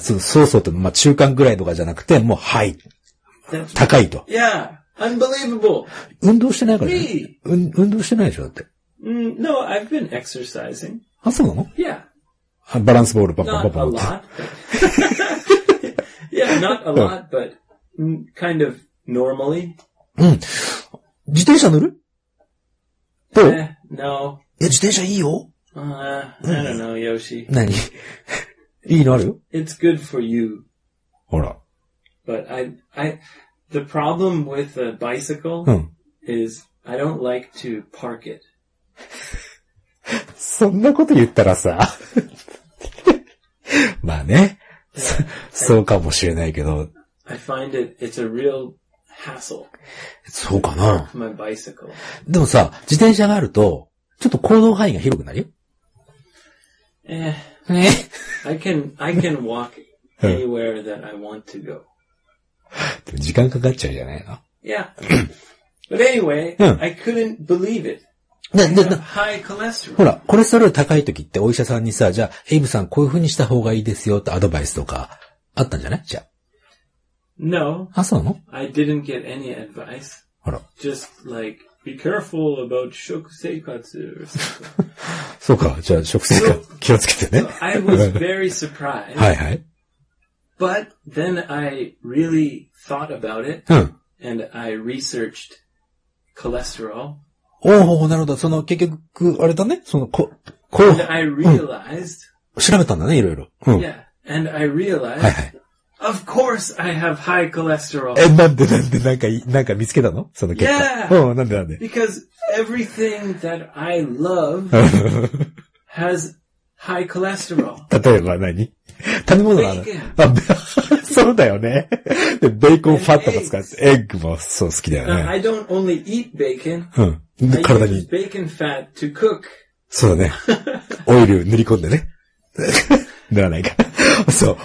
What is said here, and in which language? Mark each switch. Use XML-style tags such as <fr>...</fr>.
<ja>そうそうって、まあ、中間ぐらいとかじゃなくて、もう high。</ja> <en>That's、</en> <ja>高いと。</ja> <en>Yeah. Unbelievable.</en> <ja>運動してないから</ja> <en>ね。Me?</en> <ja>運動してないでしょ、だって。</ja> <en>No, I've been exercising.</en> <ja>あ、そうなの</ja> <en>?Yeah.</en> <ja>バランスボールパッパッパッパ</ja> <en>ッ。Not a lot. yeah, not a lot, but kind of normally.</en> <ja>うん。自転車乗る？どう？</ja> <en>No.</en> <ja>いや、自転車いいよ。</ja> <en>I don't know, Yoshi.</en> <ja>何？いいのあるよ。</ja> <en>It's good for you.</en> <ja>ほら。</ja> <en>But I, the problem with a bicycle、</en> <ja>うん、</ja> <en>is I don't like to park it.</en> <ja>そんなこと言ったらさ まあね</ja> <en>yeah,</en> <ja>そうかもしれないけど</ja> <en>I find it, it's a real hassle.</en> <ja>そうかな</ja> <en>My bicycle.</en> <ja>でもさ自転車があるとちょっと行動範囲が広くなるよ、</ja> <en>I can walk anywhere that I want to go.</en> <ja>でも時間かかっちゃうじゃないの</ja> <en>Yeah. But anyway, I couldn't believe it</en> <ja>ほら、コレステロール高い時ってお医者さんにさ、じゃあ、エイブさんこういう風にした方がいいですよってアドバイスとかあったんじゃないじゃあ。</ja> <en>No.</en> <ja>あ、そうなの</ja> <en>?I didn't get any advice.</en> <ja>ほら。</ja> <en>Just like, be careful about 食生活</en> <ja>そうか、じゃあ食生活気をつけてね。</ja> <en>So, I was very surprised.</en> <ja>はいはい。</ja> <en>But then I really thought about it.</en> <ja>うん。</ja> <en>And I researched cholesterol.</en> <ja>おお、なるほど。その、結局、あれだね。その、こう。</ja> <en>And I realized,、</en> <ja>うん、調べたんだね、いろいろ。うん。</ja> <en>Yeah. And I realized,、</en> <ja>はいはい、</ja> <en>of course I have high cholesterol.</en> <ja>え、なんでなんでなんか見つけたのその結果。</ja> <en>Yeah.</en> <ja>うん、なんでなんで</ja> <en>Because everything that I love has high cholesterol.</en> <ja>例えば何食べ物なの そうだよね。で、ベーコンファットとか使って、エッグもそう好きだよね。</ja> <en>I don't only eat bacon.</en> <ja>うん。体に。</ja> <en>bacon fat to cook.</en> <ja>そうだね。オイル塗り込んでね。塗らないか。そう。</ja>